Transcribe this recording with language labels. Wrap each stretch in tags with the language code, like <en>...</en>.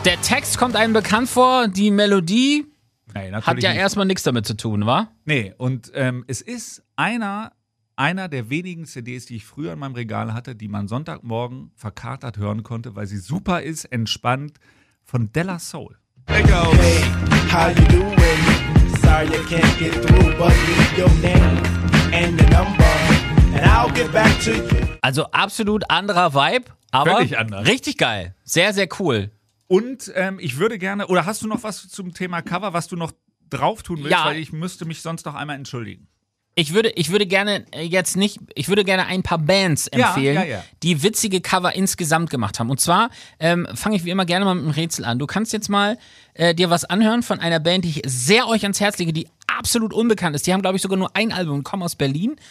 <de>Der Text kommt einem bekannt vor, die Melodie hat ja erstmal nichts damit zu tun, wa? Nee, und es ist einer der wenigen CDs, die ich früher in meinem Regal hatte, die man Sonntagmorgen verkatert hören konnte, weil sie super ist, entspannt, von De La Soul.</de> <en>Hey, how you doing? Sorry, I can't get through, but leave your name and the number and I'll get back to you.</en> <de>Also absolut anderer Vibe. Aber völlig anders. Richtig geil. Sehr, sehr cool. Und ich würde gerne, oder hast du noch was zum Thema Cover, was du noch drauf tun willst? Ja. Weil ich müsste mich sonst noch einmal entschuldigen. Ich würde gerne ein paar Bands empfehlen, die witzige Cover insgesamt gemacht haben. Und zwar fange ich wie immer gerne mal mit einem Rätsel an. Du kannst jetzt mal dir was anhören von einer Band, die ich sehr euch ans Herz lege, die absolut unbekannt ist. Die haben, glaube ich, sogar nur ein Album und kommen aus Berlin.</de>